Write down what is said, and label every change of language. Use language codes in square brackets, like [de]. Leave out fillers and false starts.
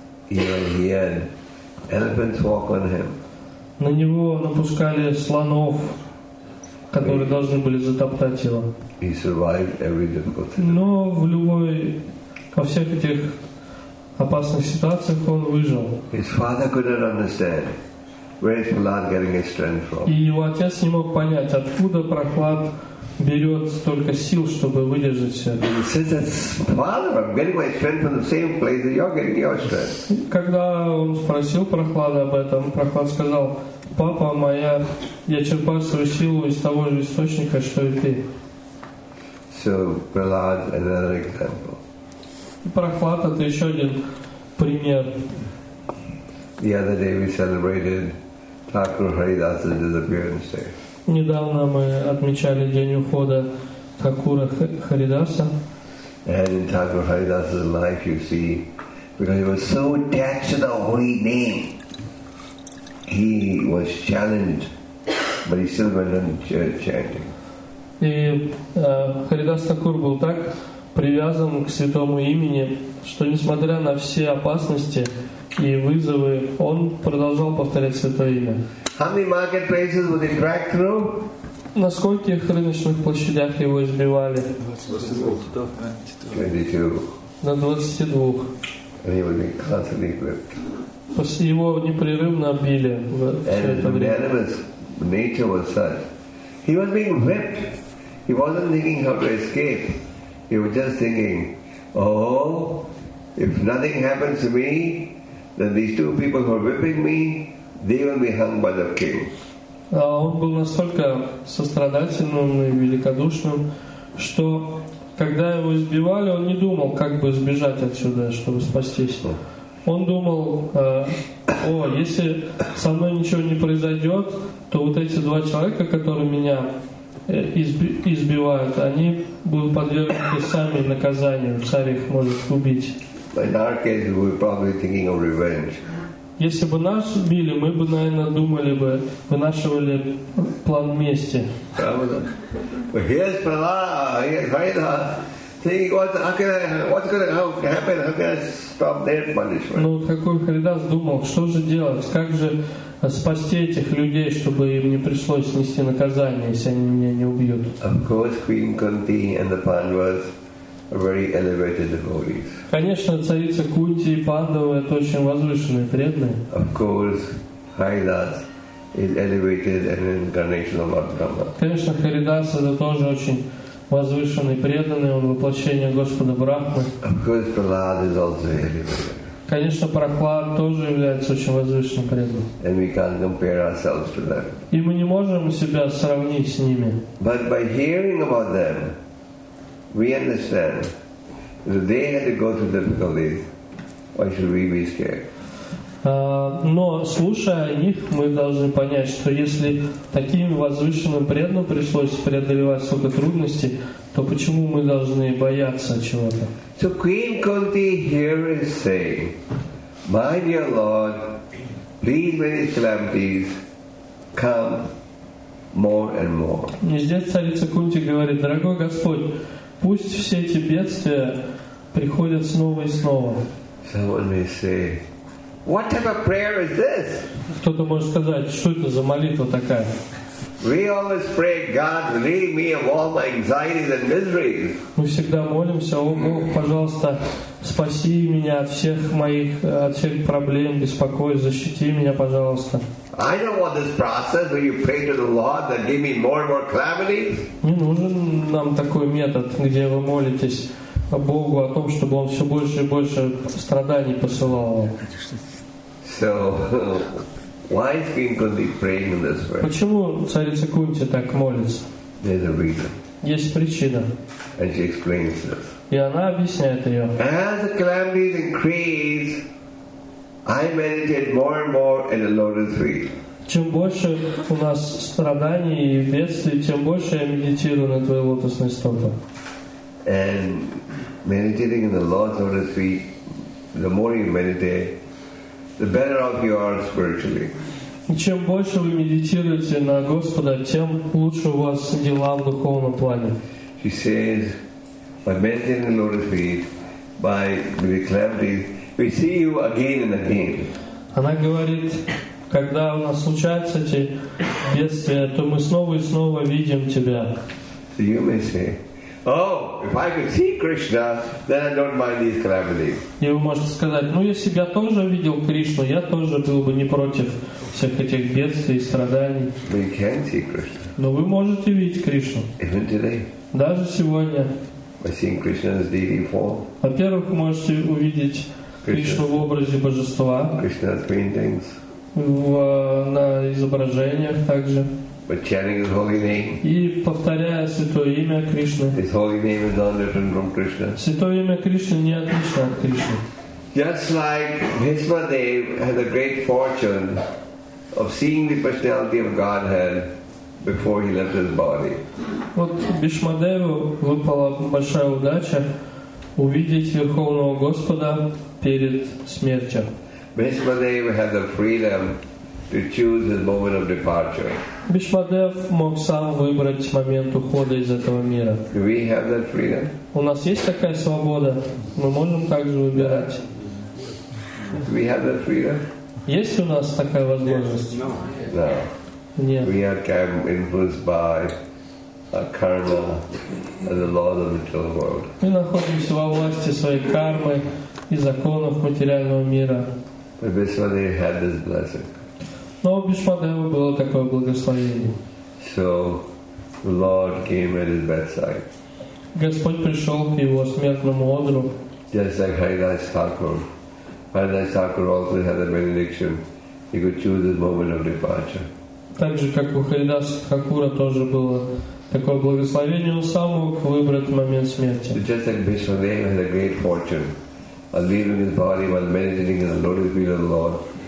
[ru] На него напускали слонов, которые должны были затоптать его. [en] He survived every difficult thing. [ru] Но в любой, во всех этих опасных ситуациях он выжил. [en] His father could not understand where is Prahlad getting his strength from. [ru] И его отец не мог понять, откуда Прохлад берет столько сил, чтобы выдержать все. [en] He says, "Father, I'm getting my strength from the same place that you're getting your strength." [ru] Когда он спросил Прохлада об этом, Прохлад сказал: "Папа, моя, я черпаю свою силу из того же источника, что и ты." [en] So Prahlad, another example. [ru] Прохлад — это еще один пример. [en] The other day we celebrated Thakur Haridas's disappearance day. [ru] Недавно мы отмечали день ухода Такура Харидаса. [en] And in Thakur Haridas's life, you see, because he was so attached to the holy name, he was challenged, but he still went on chanting. [ru] И Харидас Такур был так привязан к святому имени, что несмотря на все опасности и вызовы, он продолжал повторять святое имя. [en] How many marketplaces were they dragged through? [ru] На скольких рыночных площадях его избивали? [en] 22. [ru] На 22. Его непрерывно били все это время. [en] And his nature was such. He was being whipped. He wasn't thinking how to escape. He was just thinking, "Oh, if nothing happens to me, then these two people who are whipping me, they will be hung by the king." [ru] Он был настолько сострадательным и великодушным, что когда его избивали, он не думал, как бы сбежать отсюда, чтобы спастись. Он думал: "О, если со мной ничего не произойдет, то вот эти два человека, которые меня избивают, они будут подвергнуты сами наказанию. Царь их может убить." [en] In our case, we were probably thinking of revenge. [ru] Если бы нас убили, мы бы, наверное, думали бы, вынашивали план мести. [en] But here's Prahlad, here's Haridas, thinking, what's going to happen? How can I stop their punishment? [ru] Ну, какой Харидас думал, что же делать, как же спасти этих людей, чтобы им не пришлось нести наказание, если они меня не убьют. [en] Of course, Queen Kunti and the Pandavas are very elevated devotees. [ru] Конечно, царица Кунти и Пандавы — это очень возвышенные преданные. [en] Of course, Haridas is elevated and an incarnation of Lord Brahma. [ru] Конечно, Харидас — это тоже очень возвышенный преданный, он воплощение Господа Брахмы. [en] Of course, Prahlad is also elevated. [ru] Конечно, Прохлад тоже является очень возвышенным преданным. И мы не можем себя сравнить с ними. [en] But by hearing about them, we understand that they had to go through difficulties. Why should we be scared? [ru] Но слушая о них, мы должны понять, что если таким возвышенным преданным пришлось преодолевать столько трудностей, то почему мы должны бояться чего-то? [en] So Queen Kunti here is saying, "My dear Lord, please make these calamities come more and more." [ru] И здесь царица Кунти говорит: "Дорогой Господь, пусть все эти бедствия приходят снова и снова." [en] Someone may say, "What type of prayer is this?" [ru] Кто-то может сказать: "Что это за молитва такая?" [en] We always pray, "God, relieve me of all my anxieties and miseries." [ru] Мы всегда молимся: "О Бог, пожалуйста, спаси меня от всех моих, от всех проблем, беспокойств, защити меня, пожалуйста." [en] I don't want this process where you pray to the Lord that give me more and more calamities. [ru] Не нужен нам такой метод, где вы молитесь Богу о том, чтобы он все больше и больше страданий посылал. [en] So, why is King Kunti praying in this way? [ru] Почему царица Кунти так молится? [en] There's a reason. [ru] Есть причина. [en] And she explains this. [ru] И она объясняет ее. [en] As the calamities increase, I meditate more and more in the lotus feet. [ru] Чем больше у нас страданий и бедствий, тем больше я медитирую на твоей лотосной стопе. [en] And meditating in the Lord's lotus feet, the more you meditate, the better off you are spiritually. [ru] И чем больше вы медитируете на Господа, тем лучше у вас дела в духовном плане. [en] She says, by meditating on the Lord's feet, by reclamating, we see you again and again. [ru] Она говорит, когда у нас случаются эти бедствия, то мы снова и снова видим тебя. [en] So you may say, oh, if I could see Krishna, then I don't mind these calamities. [ru] И вы можете сказать, ну если бы я тоже видел Кришну, я тоже был бы не против всех этих бедствий и страданий. [en] But you can see Krishna. [ru] Но вы можете видеть Кришну. [en] Even today. [ru] Даже сегодня. [en] By seeing Krishna as deity form. [ru] Во-первых, вы можете увидеть Кришну в образе божества. [en] Krishna's paintings. [ru] На изображениях также. [en] But chanting his holy name. [ru] И повторяя святое имя Кришны. [en] His holy name is not different from Krishna. [ru] Святое имя Кришны не отлично от Кришны. [en] Just like Bhishma Dev had a great fortune of seeing the personality of Godhead before he left his body. [ru] Вот Бхишма Деву выпала большая удача увидеть Верховного Господа перед смертью. [en] Bhishma Dev had the freedom to choose his moment of departure. [ru] Бхишма Дев мог сам выбрать момент ухода из этого мира. [en] Do we have that freedom? [ru] У нас есть такая свобода. Мы можем также выбирать. [en] Do we have that freedom? [ru] Есть у нас такая возможность? [en] No. [ru] Нет. [en] We are influenced by karma and the laws of the material world. [ru] Мы находимся во власти своей кармы и законов материального мира. [en] But Bhishma Dev had this blessing. [ru] Но у Бхишма Дева было такое благословение. [en] So, the Lord came at his bedside. [ru] Господь пришел к его смертному одру. [en] Just like Haridas Thakur. Haridas Thakur also had a benediction. He could choose his moment of departure. [ru] Так же, как у Харидас Хакура тоже было такое благословение, он сам мог выбрать момент смерти. [en] So just like Bhishma Dev had a great fortune. Leaving his body while meditating in the lotus feet of the Lord.